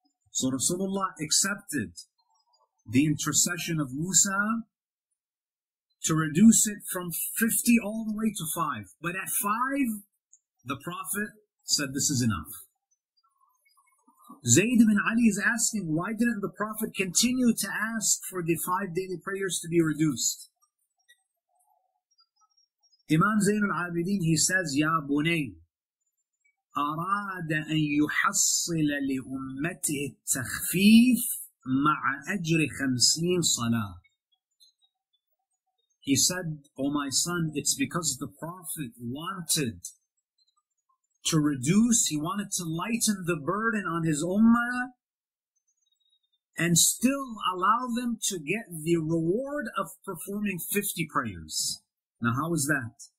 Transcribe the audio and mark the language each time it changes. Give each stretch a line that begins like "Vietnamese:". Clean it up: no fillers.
English: So Rasulullah accepted the intercession of Musa to reduce it from 50 all the way to 5. But at 5, the Prophet said, this is enough. Zayd ibn Ali is asking, why didn't the Prophet continue to ask for the 5 daily prayers to be reduced?
Arabic: Imam Zain al-Abidin,
English: he says,
Arabic: Ya Bunay, أراد أن يحصل لأمته التخفيف مع أجر 50 صلاة.
English: He said, Oh my son, it's because the Prophet wanted to reduce, he wanted to lighten the burden on his ummah and still allow them to get the reward of performing 50 prayers. Now how is that?